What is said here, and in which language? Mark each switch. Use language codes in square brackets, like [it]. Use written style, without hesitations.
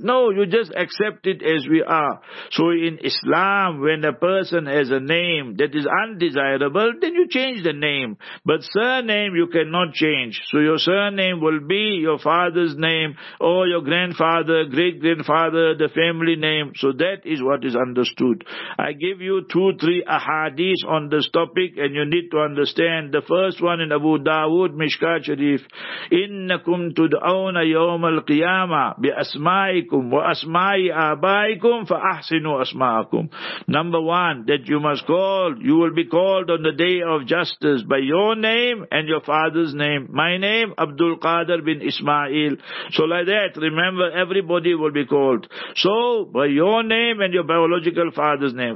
[en] No, you just accept it as we are. So in Islam, when a person has a name that is undesirable, then you change the name. But surname, you cannot change. So your surname will be your father's name, or your grandfather, great-grandfather, the family name. So that is what is understood. I give you 2-3 ahadith on this topic, and you need to understand. The first one in Abu Dawood, Mishkat Sharif, [ar] إنكم تدعون يوم القيامة بأسمائكم وأسماء آبائكم فأحسنوا أسماءكم. [en] Number one, that you must call, you will be called on the day of justice by your name and your father's name. My name, Abdul Qadir bin Ismail. So like that, remember, everybody will be called. So by your name and your biological father's name.